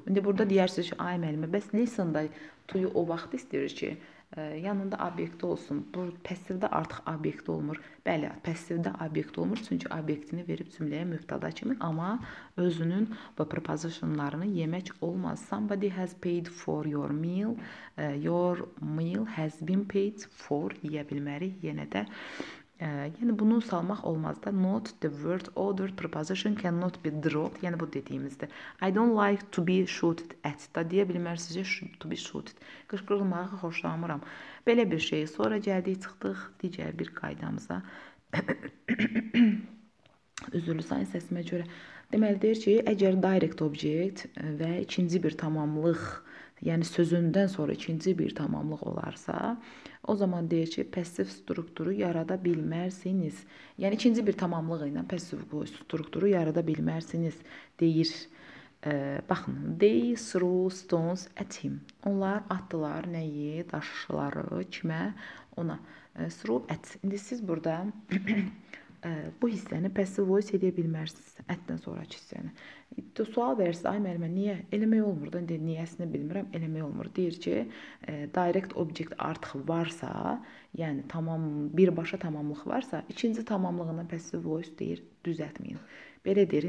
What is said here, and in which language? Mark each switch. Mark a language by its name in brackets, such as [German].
[Azerbaijani] İndi burada deyirsiniz ki, ay müəllimə, bəs listen-da to-yu o vaxt istəyir ki, yanında obyekt olsun. Bu pasivdə artıq obyekt olmur. Bəli, pasivdə obyekt olmur, çünki obyektini verib cümləyə mübtəda kimi, amma özünün bu prepositionlarını yemək olmaz. [English] Somebody has paid for your meal. Your meal has been paid for [Azerbaijani] yeyə bilməri yenə də yəni bunu salmaq olmaz da. [English] Not the word ordered preposition cannot be dropped. [Azerbaijani] Yəni bu dediyimizdə [English] I don't like to be shouted at [Azerbaijani] da deyə bilmərsiniz [English] to be shouted. [Azerbaijani] Qışqırılmağı xoşlamıram. Belə bir şey. Sonra gəldik çıxdıq digər bir qaydamıza. Üzürlü sayın səsimə görə. Deməli deyir ki, əgər direct object və ikinci bir tamamlıq, yəni sözündən sonra ikinci bir tamamlıq olarsa, o zaman deyir ki, pasiv strukturu yarada bilmərsiniz. Yəni ikinci bir tamamlıq ilə pasiv strukturu yarada bilmərsiniz deyir. Baxın, [English] they threw stones at him. [Azerbaijani] Onlar atdılar nəyi, daşları kimə, ona. [English] Threw at. [Azerbaijani] İndi siz burada bu hissəni passive voice edə bilmərsiniz. At-dən sonrakı hissəni. Sual verirsiniz, ay müəllimə, niyə? Eləmək olmur. İndi niyəsini bilmirəm, eləmək olmur. Deyir ki, direct object artıq varsa, yəni tamam, birbaşa tamamlıq varsa, ikinci tamamlığını passive voice deyir, düzətməyin. Belə deyir.